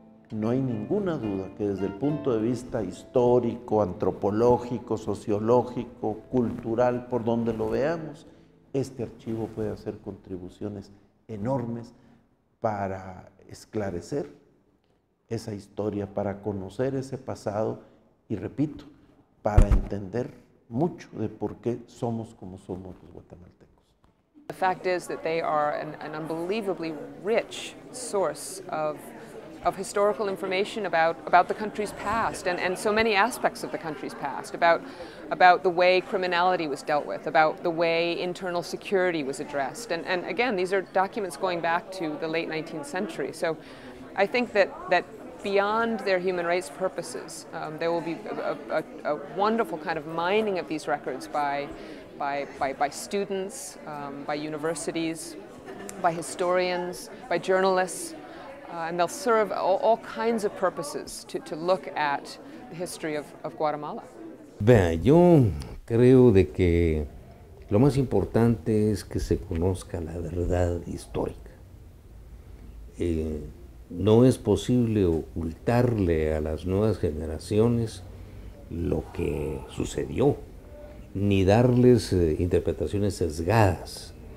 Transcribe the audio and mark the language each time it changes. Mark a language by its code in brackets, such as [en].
[es] No hay ninguna duda que desde el punto de vista histórico, antropológico, sociológico, cultural, por donde lo veamos, este archivo puede hacer contribuciones enormes para esclarecer esa historia, para conocer ese pasado y, repito, para entender mucho de por qué somos como somos los guatemaltecos. [en] The fact is that they are an unbelievably rich source of historical information about the country's past and so many aspects of the country's past, about the way criminality was dealt with, about the way internal security was addressed. And again, these are documents going back to the late 19th century. So I think that beyond their human rights purposes, there will be a wonderful kind of mining of these records by students, by universities, by historians, by journalists. And they'll serve all kinds of purposes to look at the history of Guatemala. [es] Vean, yo creo de que lo más importante es que se conozca la verdad histórica. No es posible ocultarle a las nuevas generaciones lo que sucedió, ni darles interpretaciones sesgadas.